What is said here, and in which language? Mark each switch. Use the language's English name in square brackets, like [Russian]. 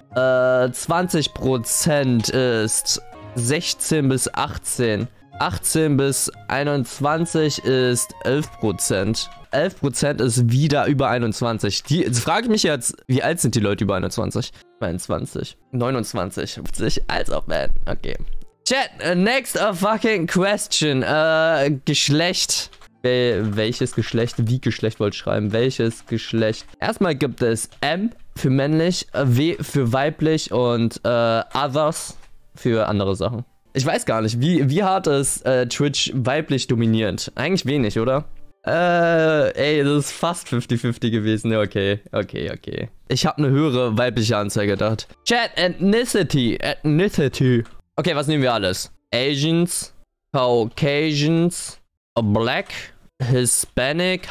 [German] 20% ist 16 bis 18. 18 bis 21 ist 11%. 11% ist wieder über 21. Die, jetzt frage ich mich jetzt, wie alt sind die Leute über 21? 22, 29, 50, also man, okay. [English] Chat, next fucking question. [German] Geschlecht. Welches Geschlecht, wie Geschlecht wollt ihr schreiben? Welches Geschlecht? Erstmal gibt es M für männlich, W für weiblich und Others für andere Sachen. Ich weiß gar nicht, wie hart ist Twitch weiblich dominierend? Eigentlich wenig, oder? Ey, das ist fast 50-50 gewesen. Okay. Ich habe eine höhere weibliche Anzahl gedacht. Chat, Ethnicity. Okay, was nehmen wir alles? [English] Asians, Caucasians, Black, Hispanic.